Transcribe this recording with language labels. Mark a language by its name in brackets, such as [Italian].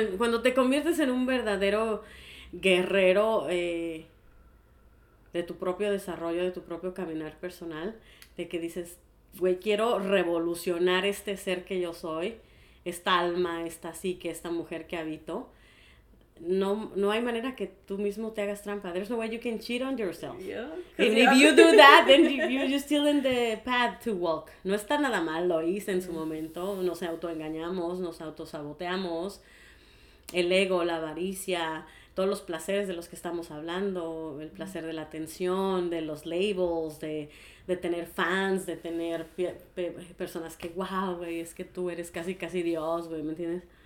[Spanish] cuando te conviertes en un verdadero guerrero de tu propio desarrollo, de tu propio caminar personal, de que dices... Güey, quiero revolucionar este ser que yo soy, esta alma, esta psique, esta mujer que habito. No hay manera que tú mismo te hagas trampa. [English] There's no way you can cheat on yourself. Yeah, and if you do that, then you're still in the path to walk. [Spanish] No está nada mal, lo hice en su momento. Nos autoengañamos, nos autosaboteamos. El ego, la avaricia, todos los placeres de los que estamos hablando, el placer de la atención, de los labels, de tener fans, de tener personas que, wow, güey, es que tú eres casi, casi Dios, güey, ¿me entiendes?